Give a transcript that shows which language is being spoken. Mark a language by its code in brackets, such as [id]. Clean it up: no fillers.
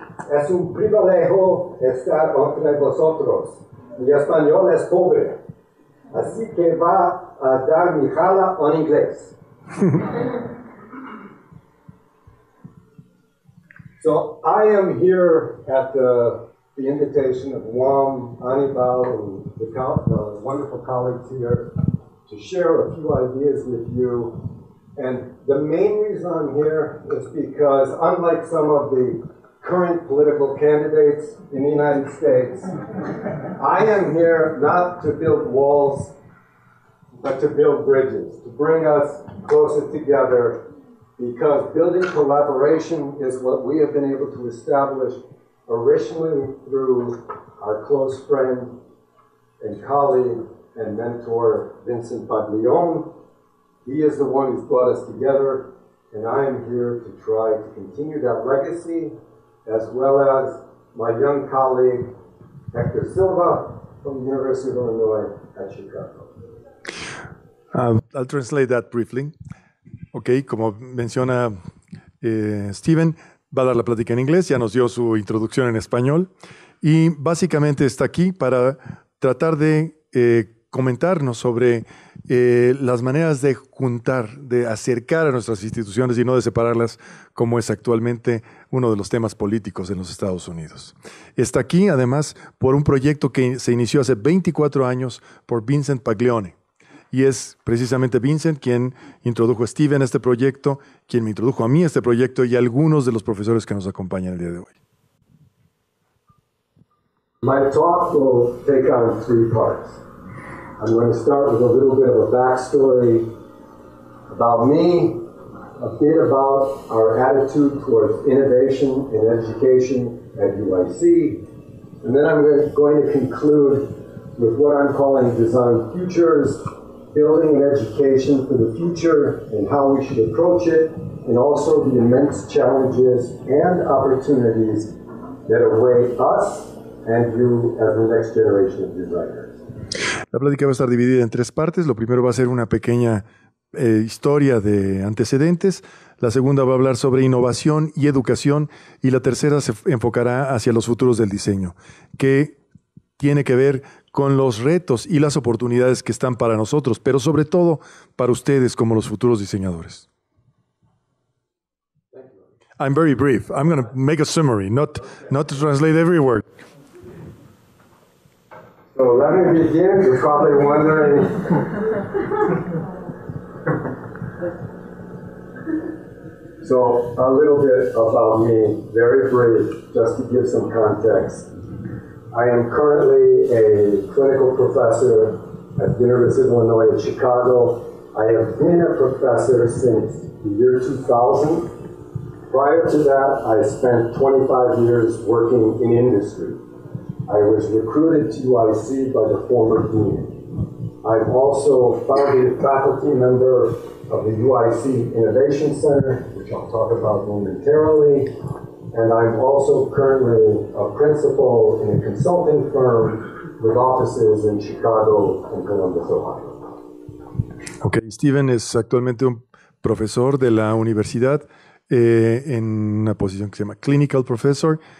[es] Es un privilegio estar entre vosotros. Mi español es pobre. Así que va a dar mi jala en inglés. [en] So I am here at the invitation of Juan, Anibal, and the wonderful colleagues here to share a few ideas with you. And the main reason I'm here is because, unlike some of the current political candidates in the United States, I am here not to build walls, but to build bridges, to bring us closer together, because building collaboration is what we have been able to establish originally through our close friend and colleague and mentor, Vincent Baglione. He is the one who's brought us together, and I am here to try to continue that legacy, as well as my young colleague, Hector Silva, from the University of Illinois at Chicago. I'll translate that briefly. [es] Okay, como menciona Steven, va a dar la plática en inglés, ya nos dio su introducción en español, y básicamente está aquí para tratar de comentarnos sobre las maneras de juntar, de acercar a nuestras instituciones y no de separarlas, como es actualmente uno de los temas políticos en los Estados Unidos. Está aquí, además, por un proyecto que se inició hace 24 años por Vincent Baglione. Y es precisamente Vincent quien introdujo a Steven a este proyecto, quien me introdujo a mí a este proyecto y a algunos de los profesores que nos acompañan el día de hoy. [en] My talk will take on three parts. I'm going to start with a little bit of a backstory about me, a bit about our attitude towards innovation in education at UIC, and then I'm going to conclude with what I'm calling design futures, building an education for the future and how we should approach it, and also the immense challenges and opportunities that await us and you as the next generation of designers. [es] La plática va a estar dividida en tres partes. Lo primero va a ser una pequeña historia de antecedentes. La segunda va a hablar sobre innovación y educación. Y la tercera se enfocará hacia los futuros del diseño, que tiene que ver con los retos y las oportunidades que están para nosotros, pero sobre todo para ustedes como los futuros diseñadores. [en] I'm very brief. I'm going to make a summary, not to translate every word. So let me begin. You're probably wondering. So a little bit about me, very brief, just to give some context. I am currently a clinical professor at the University of Illinois in Chicago. I have been a professor since the year 2000. Prior to that, I spent 25 years working in industry. I was recruited to UIC by the former dean. I'm also a founding faculty member of the UIC Innovation Center, which I'll talk about momentarily. And I'm also currently a principal in a consulting firm with offices in Chicago and Columbus, Ohio. [es] Okay, Steven is actualmente un profesor de la universidad en una posición que se llama clinical professor.